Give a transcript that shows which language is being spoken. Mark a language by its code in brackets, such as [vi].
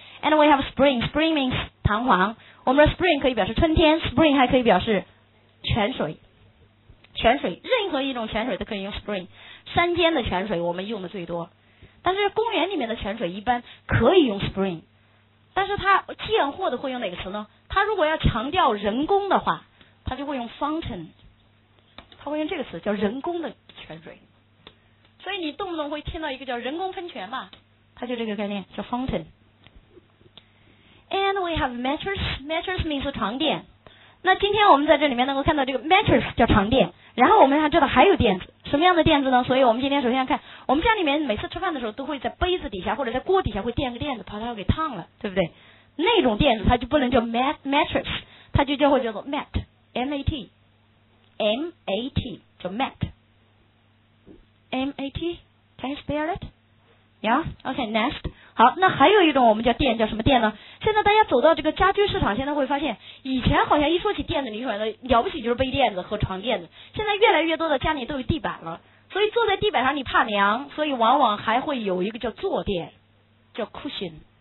[zh] and we have spring， spring means 弹簧，我们说 spring 可以表示春天， spring 还可以表示泉水，任何一种泉水都可以用 spring， 山间的泉水我们用的最多，但是公园里面的泉水一般可以用 spring，但是它贱货的会用哪个词呢？它如果要强调人工的话，它就会用 fountain， 它会用这个词叫人工的泉水。所以你动不动会听到一个叫人工喷泉吧，它就这个概念叫 fountain。 [en] And we have mattress means 床垫。 [zh] 那今天我们在这里面能够看到这个 mattress 叫床垫，然后我们还知道还有垫子，什么样的垫子呢？所以我们今天首先看，我们家里面每次吃饭的时候都会在杯子底下或者在锅底下会垫个垫子，怕它给烫了，对不对？那种垫子它就不能叫 mattress， 它就会叫做 mat， M-A-T， M-A-T 叫 mat， M-A-T， can you spell it？ Yeah， OK， next。好，那还有一种我们叫垫，叫什么垫呢？现在大家走到这个家居市场，现在会发现以前好像一说起垫子，你说的了不起就是被垫子和床垫子，现在越来越多的家里都有地板了，所以坐在地板上你怕凉，所以往往还会有一个叫坐垫，叫 cushion。